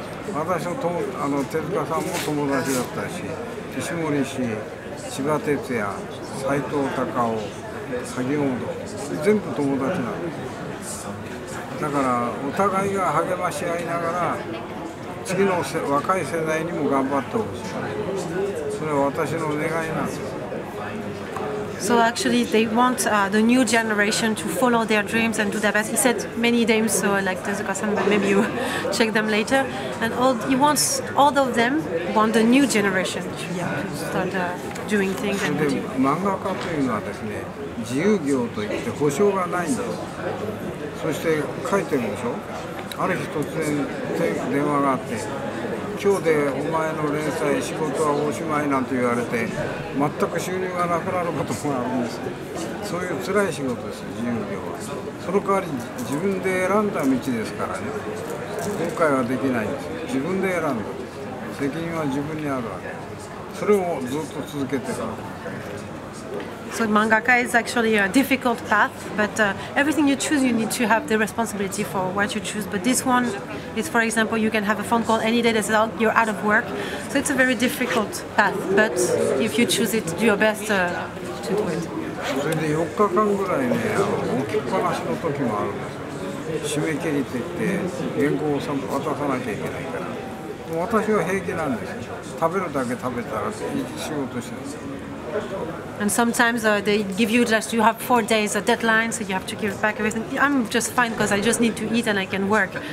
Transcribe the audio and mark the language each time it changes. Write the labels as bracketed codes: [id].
[ja] 私の手塚さんも友達だったし、石森氏、千葉哲也、斎藤隆夫。全部友達なんだからお互いが励まし合いながら次の若い世代にも頑張ってほしい。それは私の願いなんです。 [en] So actually they want the new generation to follow their dreams and do their best. He said many names, so like Tezuka-san, but maybe you check them later. And all of them want the new generation to start doing things and doing. [ja] 漫画家というのはですね、自由業といって保証がないんです。そして書いてるでしょ。ある日突然電話があって、今日でお前の連載仕事はおしまいなんて言われて、全く収入がなくなることもあるんです。そういう辛い仕事です、自由業は。その代わり自分で選んだ道ですからね。後悔はできないんです。自分で選んだ。責任は自分にあるわけ。それをずっと続けてる。 [en] So mangaka is actually a difficult path, but everything you choose, you need to have the responsibility for what you choose. But this one is, for example, you can have a phone call any day that says, oh, you're out of work. So it's a very difficult path, but if you choose it, do your best to do it. [ja] それで4日間ぐらいね、置きっぱなしの時もあるんです。締め切りって言って、原稿を渡さなきゃいけないから。私は平気なんです。食べるだけ食べたら、仕事してるんです。 [en] And sometimes they give you just you have 4 days a deadline, so you have to give back everything. I'm just fine because I just need to eat and I can work.